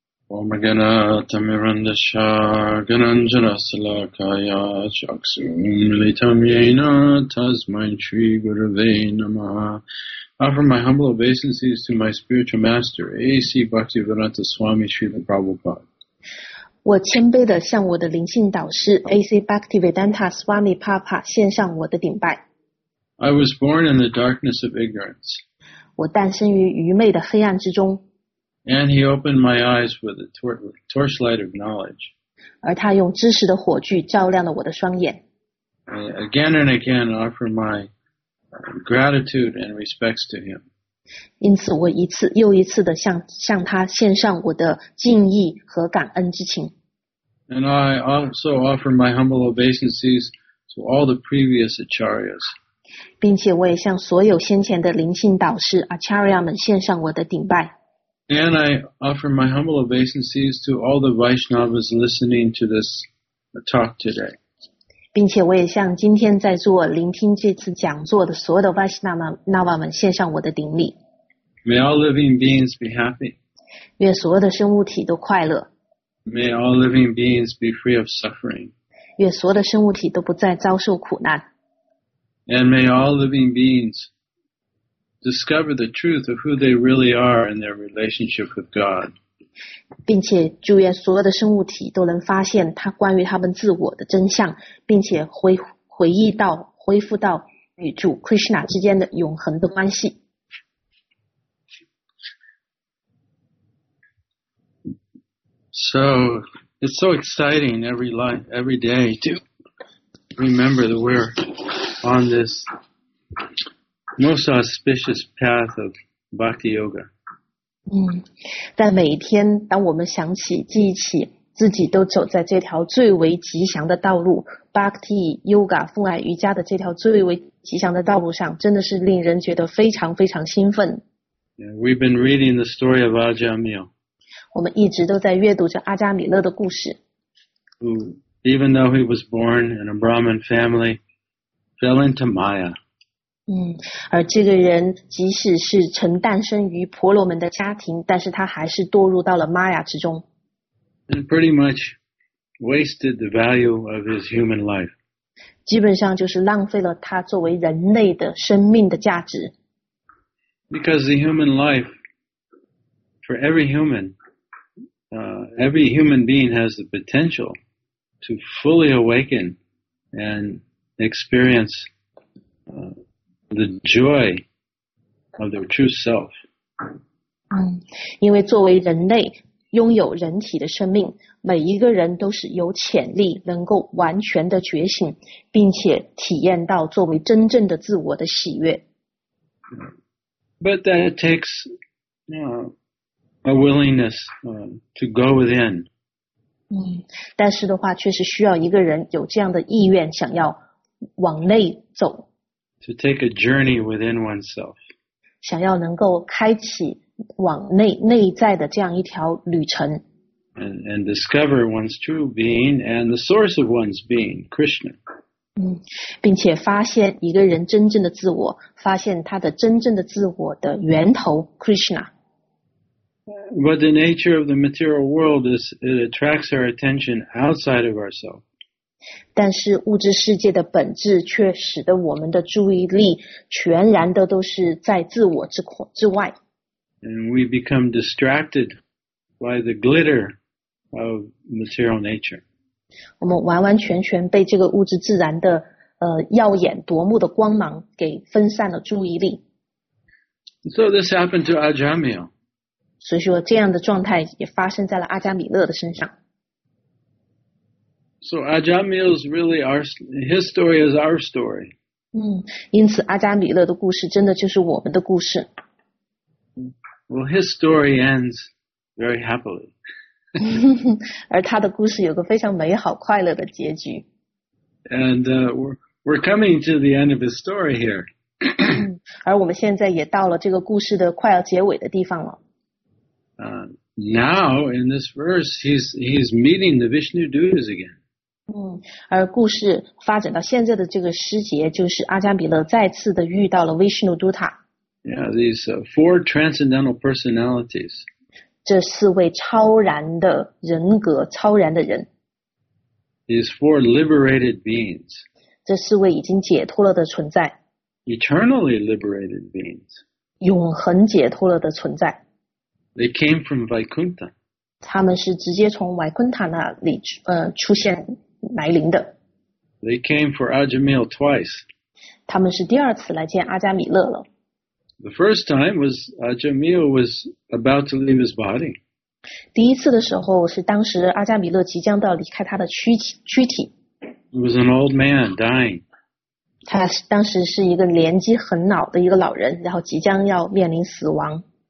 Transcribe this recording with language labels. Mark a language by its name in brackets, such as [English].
[Sanskrit] Omagana Tamirandasha Gananjana Salakaya Chaksumilitam Yena Tasmain Shri Gurave Namaha. [English] Offer my humble obeisances to my spiritual master, A.C. Bhaktivedanta Swami Srila Prabhupada. [Chinese] 我谦卑地向我的灵性导师 A.C. Bhaktivedanta Swami Papa 献上我的顶拜。 [English] I was born in the darkness of ignorance. [Chinese] 我诞生于愚昧的黑暗之中。 [English] And he opened my eyes with a torchlight of knowledge. [Chinese] 而他用知识的火炬照亮了我的双眼。 [English] I again and again offer my gratitude and respects to him. [Chinese] 因此我一次又一次地向他献上我的敬意和感恩之情。 [English] And I also offer my humble obeisances to all the previous acharyas. [Chinese] 并且我也向所有先前的灵性导师 acharya 们献上我的顶拜。 [English] And I offer my humble obeisances to all the Vaishnavas listening to this talk today. [Chinese] 并且我也向今天在座聆听这次讲座的所有的 Vaishnava 们献上我的顶礼。 [English] May all living beings be happy. [Chinese] 愿所有的生物体都快乐。 [English] May all living beings be free of suffering. [Chinese] 愿所有的生物体都不再遭受苦难。 [English] And may all living beings discover the truth of who they really are in their relationship with God. [Chinese] 并且祝愿所有的生物体都能发现他关于他们自我的真相，并且恢复到与主 Krishna 之间的永恒的关系。 [English] So it's so exciting every day to remember that we're on this most auspicious path of Bhakti Yoga. [Chinese] 但每一天当我们想起记忆起自己都走在这条最为吉祥的道路 Bhakti Yoga 奉爱瑜伽的这条最为吉祥的道路上，真的是令人觉得非常非常兴奋。 [English] Yeah, we've been reading the story of Ajamil. [Chinese] 我们一直都在阅读着阿加米勒的故事。 [English] Even though he was born in a Brahmin family, fell into Maya. [Chinese] 而这个人即使是曾诞生于婆罗门的家庭，但是他还是堕入到了玛雅之中。 [English] And pretty much wasted the value of his human life. [Chinese] 基本上就是浪费了他作为人类的生命的价值。 [English] Because the human life, for every human, every human being has the potential to fully awaken and experience the joy of their true self. [Chinese] 因为作为人类，拥有人体的生命，每一个人都是有潜力能够完全的觉醒，并且体验到作为真正的自我的喜悦。 [English] But that takes, a willingness, to go within. [Chinese] 嗯，但是的话，确实需要一个人有这样的意愿，想要往内走。 [English] To take a journey within oneself. [Chinese] 想要能够开启往内在的这样一条旅程。 [English] And discover one's true being and the source of one's being, Krishna. [Chinese] 嗯，并且发现一个人真正的自我，发现他的真正的自我的源头 Krishna。 [English] But the nature of the material world is it attracts our attention outside of ourselves. [Chinese] 但是物质世界的本质却使得我们的注意力全然的都是在自我之外。 [English] And we become distracted by the glitter of material nature. [Chinese] 我们完完全全被这个物质自然的耀眼夺目的光芒给分散了注意力。 [English] So this happened to Ajamil. [Chinese] 所以说这样的状态也发生在了阿加米勒的身上。 [English] So Ajamil is really his story is our story. [Chinese] 嗯，因此阿加米勒的故事真的就是我们的故事。 [English] Well, his story ends very happily. [Chinese] 而他的故事有个非常美好快乐的结局。 [English] And we're coming to the end of his story here. [Chinese] 而我们现在也到了这个故事的快要结尾的地方了。 [English] Now, in this verse, he's meeting the Vishnu Dutas again. [Chinese] 嗯，而故事发展到现在的这个时节，就是阿加比勒再次的遇到了 Vishnu Duta。 [English] Yeah, these four transcendental personalities. [Chinese] 这四位超然的人格，超然的人。 [English] These four liberated beings. [Chinese] 这四位已经解脱了的存在。 [English] Eternally liberated beings. [Chinese] 永恒解脱了的存在。 [English] They came from Vaikuntha. [Chinese] 他们是直接从 Vaikuntha 那里出现来临的。 [English] They came for Ajamil twice. [Chinese] 他们是第二次来见阿加米勒了。 [English] The first time was Ajamil was about to leave his body. [Chinese] 第一次的时候是当时阿加米勒即将到离开他的躯体。 [English] He was an old man dying. [Chinese] 他当时是一个年纪很老的一个老人，然后即将要面临死亡。